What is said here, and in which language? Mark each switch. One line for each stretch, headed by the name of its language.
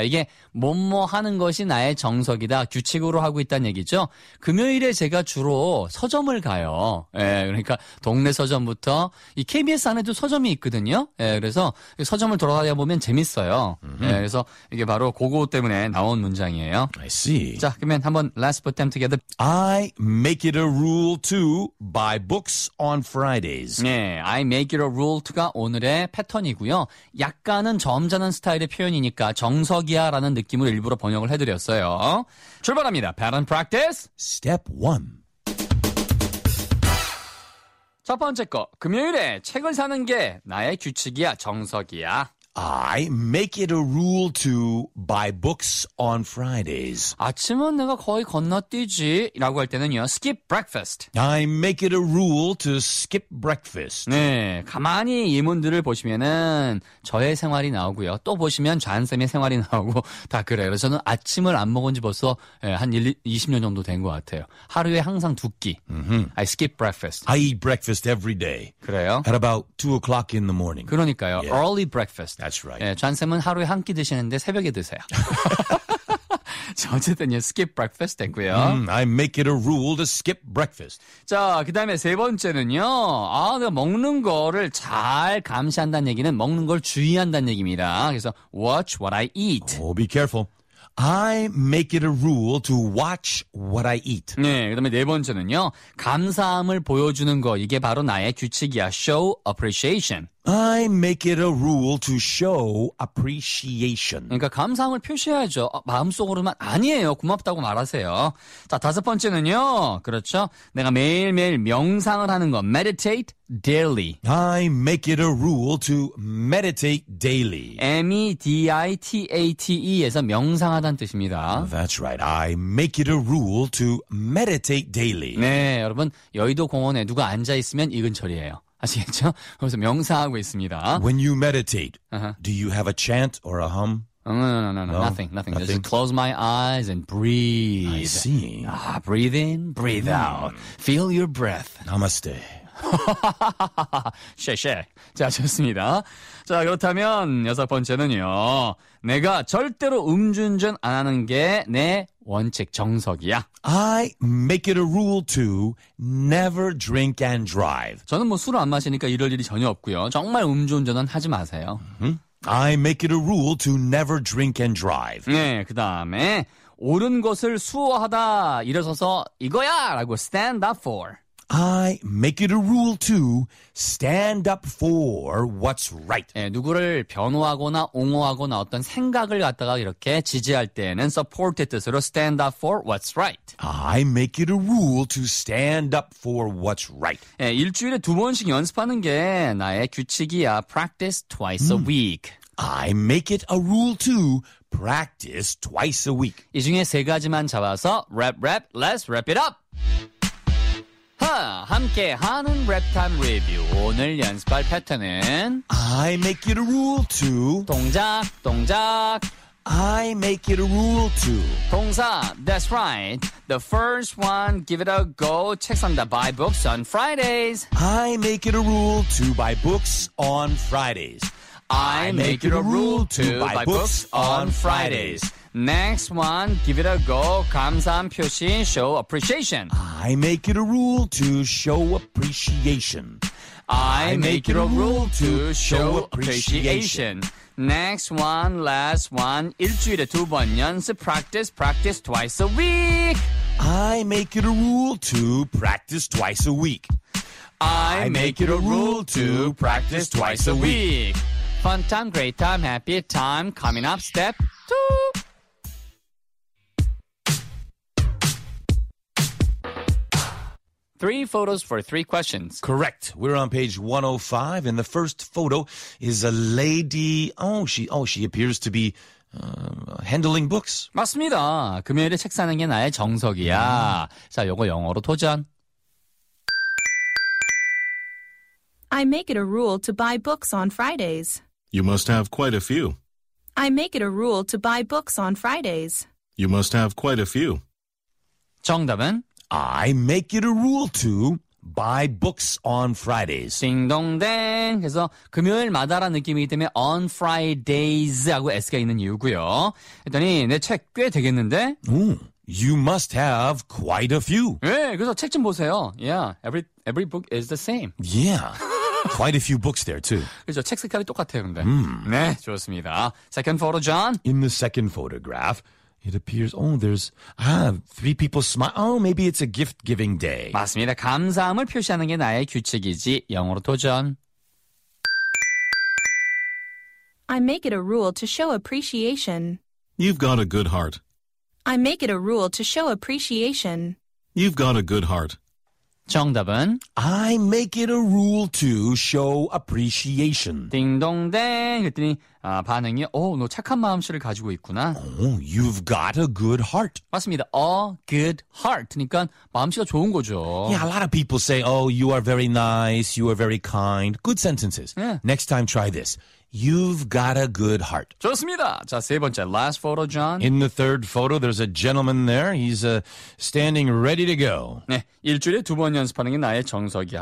Korean: 이게 뭐뭐 하는 것이 나의 정석이다. 규칙으로 하고 있다는 얘기죠. 금요일에 제가 주로 서점을 가요. 예, 네, 그러니까 동네 서점부터 이 KBS 안에도 서점이 있거든요. 예, 네, 그래서 서점을 돌아다녀 보면 재밌어요. 예, 네, 그래서 이게 바로 그거 때문에 나온 문장이에요.
English: I see.
Korean: 자, 그러면 한번
English: Let's put them together. I make it a rule to buy books on Fridays.
Korean: 네,
English: I make it a rule to
Korean: 가 오늘의 패턴이고요. 약간은 점잖은 스타일의 표현이니까 정석이야라는 느낌으로 일부러 번역을 해드렸어요. 출발합니다.
English: Pattern practice. Step 1.
Korean: 첫 번째 거. 금요일에 책을 사는 게 나의 규칙이야, 정석이야.
English: I make it a rule to buy books on Fridays.
Korean: 아침은 내가 거의 건너뛰지 라고 할 때는요.
English: Skip breakfast. I make it a rule to skip breakfast.
Korean: 네, 가만히 예문들을 보시면은 저의 생활이 나오고요. 또 보시면 잔쌤의 생활이 나오고 다 그래요. 그래서 저는 아침을 안 먹은 지 벌써 한 20년 정도 된 것 같아요. 하루에 항상 두 끼.
English: I skip breakfast. I eat breakfast every day.
Korean: 그래요?
English: At about 2 o'clock in the morning.
Korean: 그러니까요.
English: Yeah. Early breakfast. That's right.
Korean: 예, 잔쌤은 하루에 한 끼 드시는데 새벽에 드세요. 자, 어쨌든
English: skip breakfast
Korean: 됐고요.
English: I make it a rule to skip breakfast.
Korean: 자, 그 다음에 세 번째는요. 아, 내가 먹는 거를 잘 감시한다는 얘기는 먹는 걸 주의한다는 얘기입니다. 그래서
English: watch what I eat. Oh, be careful. I make it a rule to watch what I eat.
Korean: 네, 그 다음에 네 번째는요. 감사함을 보여주는 거. 이게 바로 나의 규칙이야.
English: Show appreciation. I make it a rule to show appreciation.
Korean: 그러니까 감사함을 표시해야죠. 어, 마음속으로만 아니에요. 고맙다고 말하세요. 자, 다섯 번째는요. 그렇죠. 내가 매일매일 명상을 하는 거.
English: Meditate daily. I make it a rule to meditate daily.
Korean: M-E-D-I-T-A-T-E에서 명상하다는 뜻입니다.
English: That's right. I make it a rule to meditate daily.
Korean: 네, 여러분. 여의도 공원에 누가 앉아있으면 이 근처리예요. 아시겠죠? 그래서 명상하고 있습니다.
English: When you meditate, do you have a chant or a hum? No, nothing. Just close my eyes and breathe. I see. Ah, breathe in, breathe out. Feel your breath. Namaste.
Korean: 쉐쉐. 자, 좋습니다. 자, 그렇다면 여섯 번째는요. 내가 절대로 음주운전 안 하는 게 내 원칙, 정석이야.
English: I make it a rule to never drink and drive.
Korean: 저는 뭐 술을 안 마시니까 이럴 일이 전혀 없고요. 정말 음주운전은 하지 마세요.
English: I make it a rule to never drink and drive.
Korean: 네, 그 다음에 옳은 것을 수호하다, 일어서서 이거야! 라고
English: stand up for. I make it a rule to stand up for what's right.
Korean: 네, 누구를 변호하거나 옹호하거나 어떤 생각을 갖다가 이렇게 지지할 때에는 support의 뜻으로
English: stand up for what's right. I make it a rule to stand up for what's right.
Korean: 네, 일주일에 두 번씩 연습하는 게 나의 규칙이야.
English: Practice twice a week. I make it a rule to practice twice a week.
Korean: 이 중에 세 가지만 잡아서
English: rap rap, let's wrap it up.
Korean: 함께하는 랩타임 리뷰. 오늘 연습할 패턴은
English: I make it a rule to
Korean: 동작, 동작.
English: I make it a rule to
Korean: 동사,
English: that's right. The first one, give it a go.
Korean: 책 산다,
English: buy books on Fridays. I make it a rule to buy books on Fridays. I make it a rule to buy books on Fridays. Next one, give it a go.
Korean: 감사한 표시,
English: show appreciation. I make it a rule to show appreciation. I make it a rule to show appreciation. Next one, last one,
Korean: 일주일에 두 번 연습,
English: practice, practice twice a week. I make it a rule to practice twice a week. I make it a rule to practice twice a week. Fun time, great time, happy time. Coming up, step two. Three photos for three questions. Correct. We're on page 105, and the first photo is a lady. She appears to be handling books.
Korean: 맞습니다. 금요일에 책 사는 게 나의 정석이야. 자, 요거 영어로 도전.
English: I make it a rule to buy books on Fridays. You must have quite a few. I make it a rule to buy books on Fridays. You must have quite a few.
Korean: 정답은?
English: I make it a rule to buy books on Fridays.
Korean: 딩동댕. 그래서 금요일마다라는 느낌이기 때문에 on Fridays 하고 S가 있는 이유고요. 그랬더니 내 책 꽤 되겠는데?
English: You must have quite a few.
Korean: 예, 네, 그래서 책 좀 보세요.
English: Yeah, every book is the same. Yeah, quite a few books there too.
Korean: 그렇죠, 책 색깔이 똑같아요, 근데. 네, 좋습니다.
English: Second photo, John. In the second photograph, it appears, oh, there's three people smile. Oh, maybe it's a gift-giving day.
Korean: 맞습니다. 감사함을 표시하는 게 나의 규칙이지. 영어로 도전.
English: I make it a rule to show appreciation. You've got a good heart. I make it a rule to show appreciation. You've got a good heart.
Korean: 정답은?
English: I make it a rule to show appreciation.
Korean: 딩동댕. 그랬더니 반응이, 오, 너 착한 마음씨를 가지고 있구나.
English: Oh, you've got a good heart.
Korean: 맞습니다.
English: A good heart.
Korean: 그러니까 마음씨가 좋은 거죠.
English: Yeah, a lot of people say, oh, you are very nice, you are very kind. Good sentences. Yeah. Next time, try this. You've got a good heart.
Korean: 좋습니다. 자, 세 번째,
English: last photo,
Korean: John.
English: In the third photo, there's a gentleman there. He's standing ready to go.
Korean: 네, 일주일에 두 번 연습하는 게 나의 정석이야.